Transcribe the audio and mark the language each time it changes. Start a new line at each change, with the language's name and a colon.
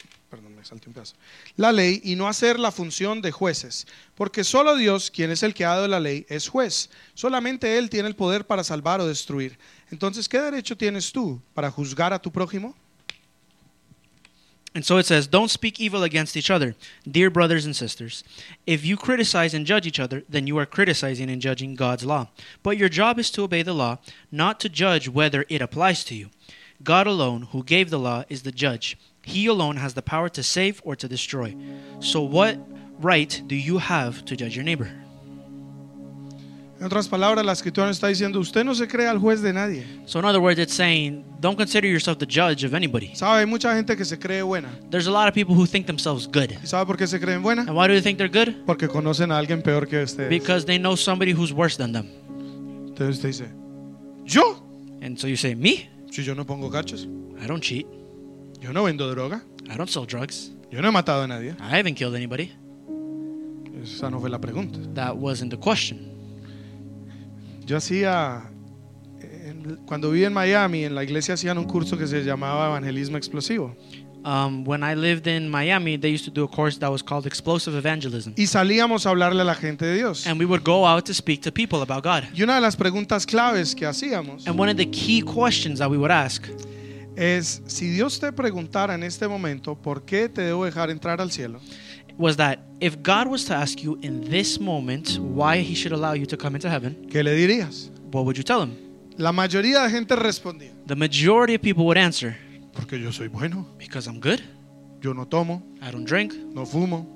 Spanish: Perdón, me salté un pedazo. La ley y no hacer la función de jueces. Porque solo Dios, quien es el que ha dado la ley, es juez. Solamente Él tiene el poder para salvar o destruir. Entonces, ¿qué derecho tienes tú para juzgar a tu prójimo?
English: And so it says, don't speak evil against each other, dear brothers and sisters. If you criticize and judge each other, then you are criticizing and judging God's law. But your job is to obey the law, not to judge whether it applies to you. God alone, who gave the law, is the judge. He alone has the power to save or to destroy. So what right do you have to judge your neighbor?
Spanish: En otras palabras, la escritura está diciendo, usted no se crea el juez de nadie.
English: So in other words, it's saying, don't consider yourself the judge of anybody.
Spanish: ¿Sabe? Hay mucha gente que se cree buena.
English: There's a lot of people who think themselves good.
Spanish: ¿Y sabe por qué se creen buena?
English: And why do they think they're good?
Spanish: Porque conocen a alguien peor que ustedes.
English: Because they know somebody who's worse than them.
Spanish: Entonces usted dice, ¿yo?
English: And so you say, me?
Spanish: Si yo no pongo cachos.
English: I don't cheat.
Spanish: Yo no vendo droga.
English: I don't sell drugs.
Spanish: Yo no he matado a nadie.
English: I haven't killed anybody.
Spanish: Esa no fue la pregunta.
English: That wasn't the question.
Spanish: Yo hacía, cuando viví en Miami, en la iglesia hacían un curso que se llamaba Evangelismo Explosivo.
English: When I lived in Miami, they used to do a course that was called Explosive Evangelism.
Spanish: Y salíamos a hablarle a la gente de Dios.
English: And we would go out to speak to people about God.
Spanish: Y una de las preguntas claves que hacíamos.
English: And one of the key questions that we would ask.
Spanish: Es, si Dios te preguntara en este momento, ¿por qué te debo dejar entrar al cielo?
English: Was that if God was to ask you in this moment why he should allow you to come into heaven,
Spanish: ¿qué le dirías?
English: What would you tell him?
Spanish: La mayoría de gente respondía,
English: the majority of people would answer,
Spanish: porque yo soy bueno.
English: Because I'm good.
Spanish: Yo no tomo.
English: I don't drink.
Spanish: No fumo.